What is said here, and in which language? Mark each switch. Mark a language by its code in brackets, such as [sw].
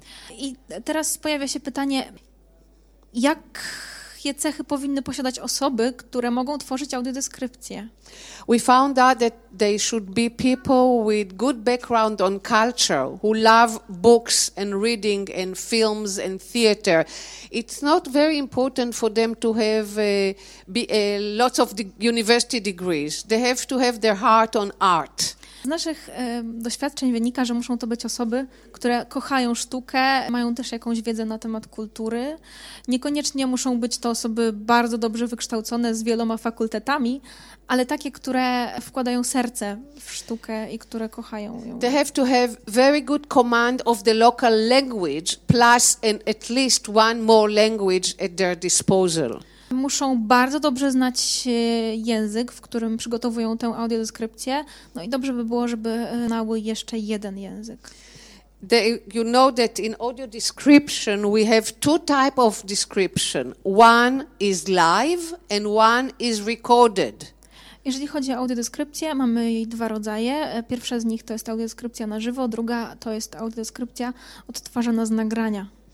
[pl] I teraz pojawia się pytanie, jakie cechy powinny posiadać osoby, które mogą tworzyć audiodeskrypcje? [en] We found out that they should be people with good background on culture, who love books and reading and films and theater. It's not very important for them to have lots of university degrees. They have to have their heart on art. [pl] Z naszych doświadczeń wynika, że muszą to być osoby, które kochają sztukę, mają też jakąś wiedzę na temat kultury. Niekoniecznie muszą być to osoby bardzo dobrze wykształcone z wieloma fakultetami, ale takie, które wkładają serce w sztukę i które kochają ją. [en] They have to have very good command of the local language plus and at least one more language at their disposal. [pl] Muszą bardzo dobrze znać język, w którym przygotowują tę audiodeskrypcję. No i dobrze by było, żeby znały jeszcze jeden język. [en] You know that in audio description we have two type of description. One is live and one is recorded. [pl] Jeżeli chodzi o audiodeskrypcję, mamy jej dwa rodzaje. Pierwsza z nich to jest audiodeskrypcja na żywo, druga to jest audiodeskrypcja odtwarzana z nagrania.